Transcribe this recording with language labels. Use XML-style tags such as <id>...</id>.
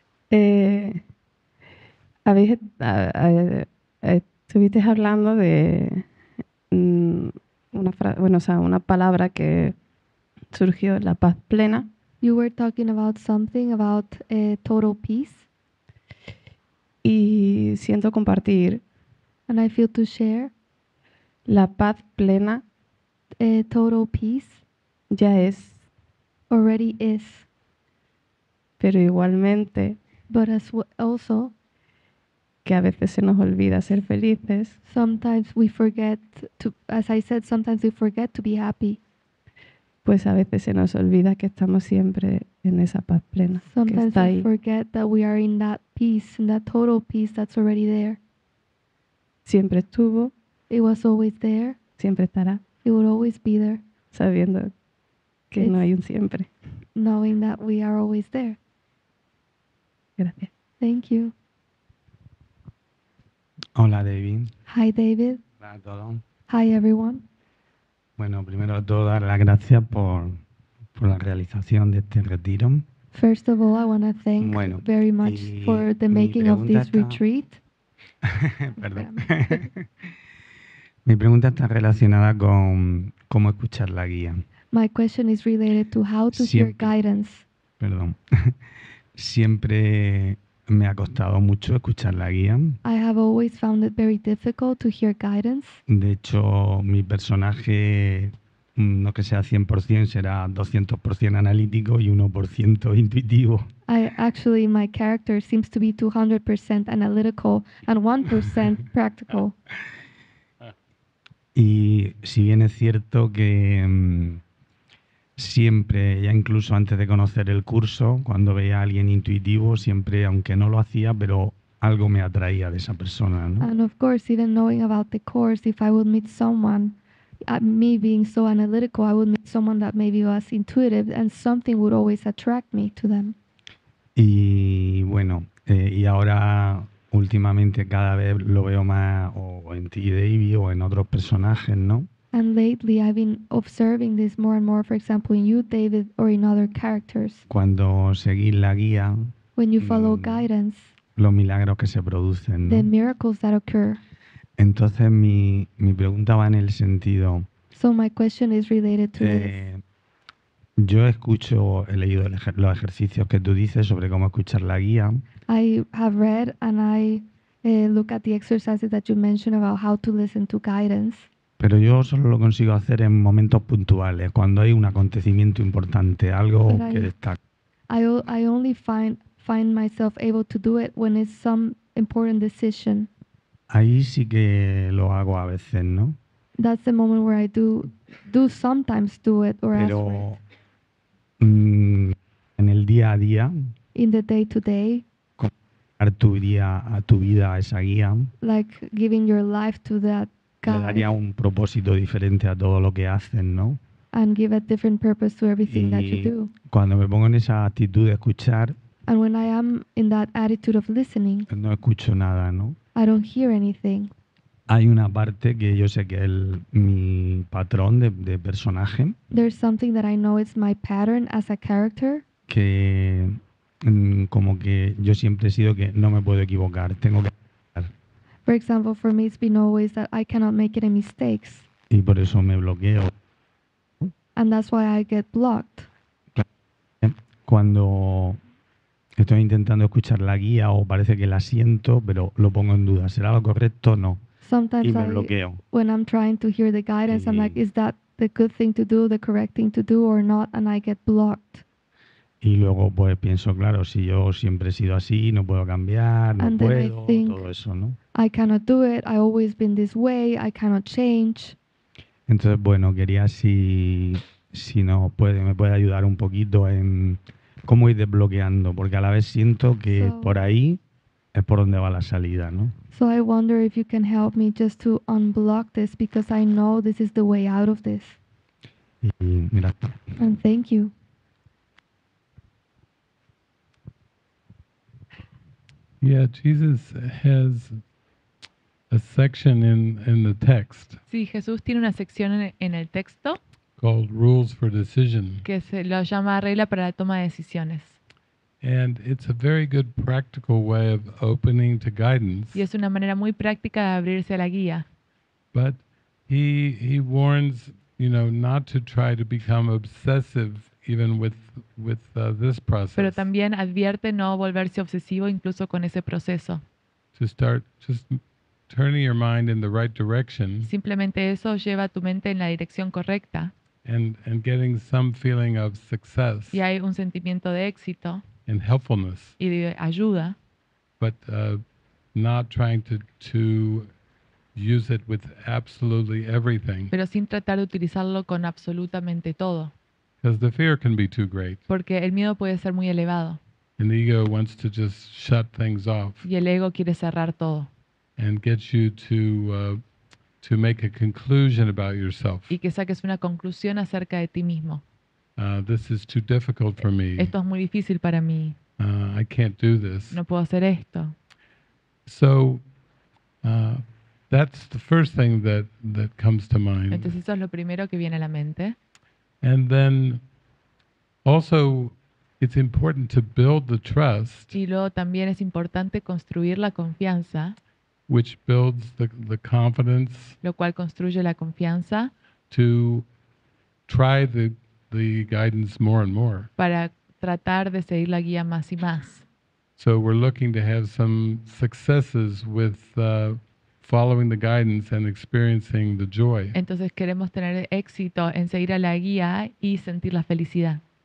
<es>estuviste hablando de una palabra que surgió, la paz plena.</es> <en>You were talking about something about total peace.</en> <es>Y siento compartir.</es> <en>And I feel to share.</en> <es>La paz plena.</es> <en>Total peace.</en> <es>Ya es.</es> <en>Already is.</en> <es>Pero igualmente.</es> <en>But as also.</en> <es>Que a veces se nos olvida ser felices.</es> <en>Sometimes we forget to, as I said, sometimes we forget to be happy.</en> <es>Pues a veces se nos olvida que estamos siempre en esa paz plena.</es> <en>Sometimes</en> <es>que está ahí.</es> <en>We forget that we are in that peace, in that total peace that's already there.</en> <es>Siempre estuvo.</es> <en>It was always there.</en> <es>Siempre estará.</es> <en>It will always be there.</en> <es>Sabiendo que no hay un siempre.</es> <en>Knowing that we are always there.</en> <es>Gracias.</es> <en>Thank you.</en> <es>Hola, David.</es> <en>Hi, David.</en> <es>Hola a todos.</es> <en>Hi, everyone.</en> <es>Bueno, primero de todo, dar las gracias por la realización de este retiro.</es> <en>First of all, I want to thank very much for the making of this retreat.</en> <es>Perdón. Mi pregunta está relacionada con cómo escuchar la guía.</es> <en>My question is related to how to hear guidance.</en> <es>Perdón. Siempre me ha costado mucho escuchar la guía.</es> <en>I have always found it very difficult to hear guidance.</en> <es>De hecho, mi personaje, no que sea 100%, será 200% analítico y 1% intuitivo.</es> <en>Actually, my character seems to be 200% analytical and 1% practical.</en> <es>Y si bien es cierto que siempre, ya incluso antes de conocer el curso, cuando veía a alguien intuitivo, siempre, aunque no lo hacía, pero algo me atraía de esa persona, ¿no?</es> <en>And of course, even knowing about the course, if I would meet someone, me being so analytical, I would meet someone that maybe was intuitive, and something would always attract me to them.</en> <es>Y bueno, y ahora últimamente cada vez lo veo más o en ti, David, o en otros personajes, ¿no?</es> <en>And lately I've been observing this more and more, for example, in you, David, or in other characters.</en> <es>Cuando seguís la guía,</es> <en>when you follow guidance,</en> <es>los milagros que se producen, ¿no?</es> <en>The miracles that occur.</en> <es>Entonces mi pregunta va en el sentido.</es> <en>So my question is related to this.</en> <es>Yo escucho, he leído los ejercicios que tú dices sobre cómo escuchar la guía.</es> <en>I have read and I look at the exercises that you mentioned about how to listen to guidance.</en> <es>Pero yo solo lo consigo hacer en momentos puntuales, cuando hay un acontecimiento importante, algo que destaca.</es> <en>I only find myself able to do it when it's some important decision.</en> <es>Ahí sí que lo hago a veces, ¿no?</es> <en>That's the moment where I do sometimes do it or</en> <es>pero,</es> <en>ask for it.</en> <es>En el día a día.</es> <en>In the day to day.</en> <es>Dar tu día a tu vida a esa guía.</es> <en>Like giving your life to that guide.</en> <es>Le daría un propósito diferente a todo lo que hacen, ¿no?</es> <en>And give a different purpose to everything</en> <es>y</es> <en>that you do.</en> <es>Cuando me pongo en esa actitud de escuchar.</es> <en>And when I am in that attitude of listening.</en> <es>No escucho nada, ¿no?</es> <en>I don't hear anything.</en> <es>Hay una parte que yo sé que es mi patrón de personaje.</es> <en>There's something that I know is my pattern as a character.</en> <es>Que como que yo siempre he sido que no me puedo equivocar, tengo que hacer.</es> <en>For example, for me it's been always that I cannot make any mistakes.</en> <es>Y por eso me bloqueo.</es> <en>And that's why I get blocked.</en> <es>Cuando estoy intentando escuchar la guía o parece que la siento, pero lo pongo en duda. ¿Será lo correcto o no?</es> <en>Sometimes</en> <es>y me bloqueo.</es> <en>When I'm trying to hear the guidance, I'm like, is that the good thing to do, the correct thing to do or not? And I get blocked.</en> <es>Y luego pues pienso, claro, si yo siempre he sido así, no puedo cambiar, no</es> <en>and</en> <es>puedo,</es> <en>then I think,</en> <es>todo eso, ¿no?</es> <en>I cannot do it, I've always been this way, I cannot change.</en> <es>Entonces, bueno, quería si no puede, me puede ayudar un poquito en cómo ir desbloqueando, porque a la vez siento que</es> <en>so,</en> <es>por ahí es por donde va la salida, ¿no?</es> <en>So I wonder if you can help me just to unblock this because I know this is the way out of this.</en> <es>Y mira.</es> <en>And thank you. Yeah, Jesus has a section in the text.</en> <es>Sí, Jesús tiene una sección en el texto.</es> <en>Called rules for decision.</en> <es>Que se lo llama regla para la toma de decisiones.</es> <en>And it's a very good practical way of opening to guidance.</en> <es>Y es una manera muy práctica de abrirse a la guía.</es> <en>But he warns, you know, not to try to become obsessive even with this process.</en> <es>Pero también advierte no volverse obsesivo incluso con ese proceso.</es> <en>To start just turning your mind in the right direction.</en> <es>Simplemente eso lleva tu mente en la dirección correcta.</es> <en>And getting some feeling of success.</en> <es>Y hay un sentimiento de éxito.</es> <en>And helpfulness.</en> <es>Y de ayuda.</es> <en>But not trying to use it with absolutely everything.</en> <es>Pero sin tratar de utilizarlo con absolutamente todo.</es> <en>Because the fear can be too great.</en> <es>Porque el miedo puede ser muy elevado.</es> <en>And the ego wants to just shut things off.</en> <es>Y el ego quiere cerrar todo.</es> <en>And get you to make a conclusion about yourself.</en> <es>Y que saques una conclusión acerca de ti mismo.</es> <en>This is too difficult for me.</en> <es>Esto es muy difícil para mí.</es> <en>I can't do this.</en> <es>No puedo hacer esto.</es> <en>So that's the first thing that comes to mind.</en> <es>Entonces eso es lo primero que viene a la mente.</es> <en>And then also it's important to build the trust.</en> <es>Y luego también es importante construir la confianza.</es> <en>Which builds the confidence.</en> <es>Lo cual construye la confianza.</es> <en>To try the guidance more and more.</en> <es>Para tratar de seguir la guía más y más.</es> <en>So we're looking to have some successes with following the guidance and experiencing the joy.</en> <es>Entonces queremos tener éxito en seguir a la guía y sentir la felicidad.</es>